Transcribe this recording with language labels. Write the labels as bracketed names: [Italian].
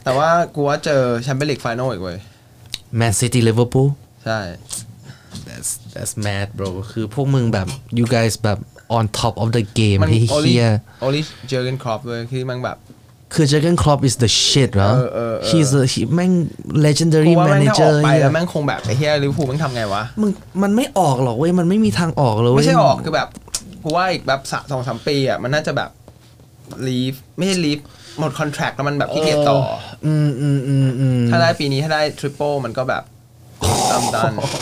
[Thai] แต่ว่ากูว่าเจอแชมเปี้ยนลีกไฟนอลอีกเว้ย [English] Man City Liverpool [Thai] ใช่ [English] that's mad bro [Thai] คือพวกมึงแบบ [English] you guys แบบ on top of the game [Thai] ที่เฮีย Ole Jurgen Klopp เลยคือมึงแบบ คือ [English] Jurgen Klopp is the shit [Thai] เ หร อ [English] he's a he, [Thai] แม่ง [English] legendary manager [Thai] ไปแล้วแม่งคงแบบไอ้เฮียลิเวอร์พูลแม่งทำไงวะ มึงมันไม่ออกหรอกเว้ยมันไม่มีทางออกเลย ไม่ใช่ออกคือแบบเพราะว่าอีกแบบ 2-3 ปีอ่ะมันน่าจะแบบ leave ไม่ใช่ leave หมด contract แล้วมันแบบขี้เกียจต่ออืมๆๆๆ ถ้าได้ปีนี้ถ้าได้ triple มันก็แบบ [English] I'm done